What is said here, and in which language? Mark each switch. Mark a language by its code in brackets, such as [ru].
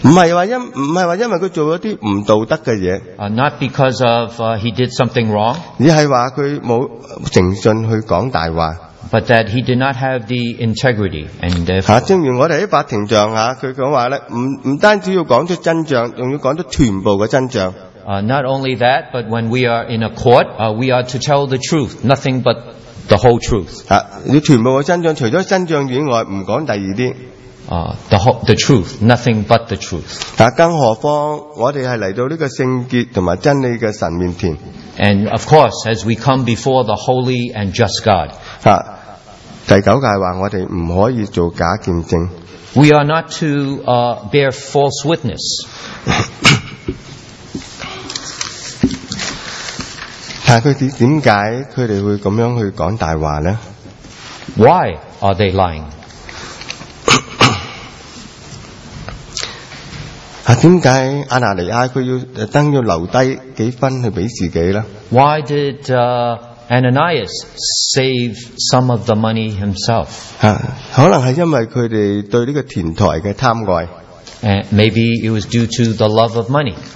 [zh] 不是說因為他做了一些不道德的事。 [en] Not because of he did something wrong. [zh] 而是說他沒有誠信去講大話。 [en] But that he did not have the integrity, and therefore, [zh] 正如我們在法庭上,他說,不單止要講出真相,還要講出全部的真相。 [en] Not only that, but when we are in a court, we are to tell the truth, nothing but the whole truth. [zh] 要全部的真相,除了真相以外,不講第二些。 [en] the truth, nothing but the truth. [zh] 但更何況, 我们是来到这个圣洁和真理的神面前, [en] and of course, as we come before the holy and just God, [zh] 第九戒说我们不可以做假见证, [en] we are not to bear false witness. [zh] 但为什么他们会这样去说大话呢? [en] Why are they lying? [zh] 为什么亚拿尼亚他要留下几分去给自己呢? [en] Why did Ananias save some of the money himself? [zh] 可能是因为他们对这个田财的贪爱, [en] and maybe it was due to the love of money.